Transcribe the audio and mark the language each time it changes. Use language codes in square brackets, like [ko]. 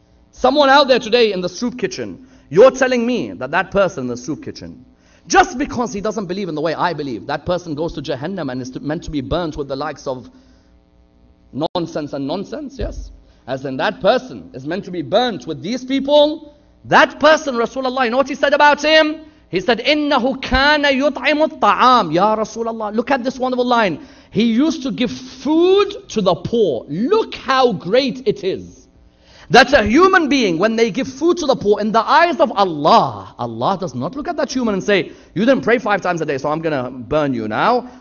[en] Someone out there today in the soup kitchen, you're telling me that that person in the soup kitchen, just because he doesn't believe in the way I believe, that person goes to Jahannam and is meant to be burnt with the likes of nonsense and nonsense, yes? As in that person is meant to be burnt with these people, that person, Rasulullah, you know what he said about him? [ar] He said, إِنَّهُ كَانَ يُطْعِمُ الطَّعَامُ. [en] Ya Rasulullah, look at this wonderful line. He used to give food to the poor. Look how great it is. That a human being, when they give food to the poor, in the eyes of Allah, Allah does not look at that human and say, you didn't pray five times a day, so I'm going to burn you now.